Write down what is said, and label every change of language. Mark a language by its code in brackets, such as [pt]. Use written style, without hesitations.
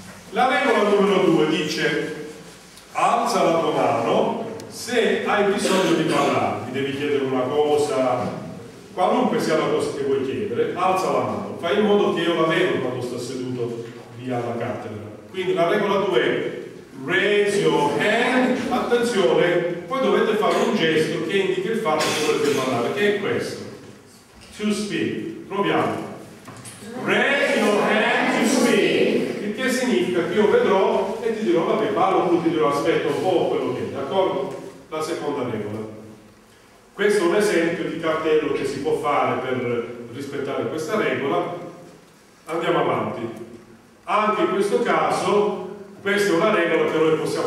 [it] La regola numero 2 dice alza la tua mano se hai bisogno di parlare, ti devi chiedere una cosa, qualunque sia la cosa che vuoi chiedere, alza la mano, fai in modo che io la vedo quando sto seduto lì alla cattedra. Quindi la regola 2 è [en] raise your hand. [it] Attenzione, poi dovete fare un gesto che indica il fatto che dovete parlare, che è questo. [en] To speak. [it] Proviamo. [en] Raise your hand to speak. [it] Il che significa che io vedrò e ti dirò, vabbè, parlo, tu ti dirò, aspetta un po' quello che è, d'accordo? La seconda regola. Questo è un esempio di cartello che si può fare per rispettare questa regola. Andiamo avanti. Anche in questo caso, questa è una regola che noi possiamo...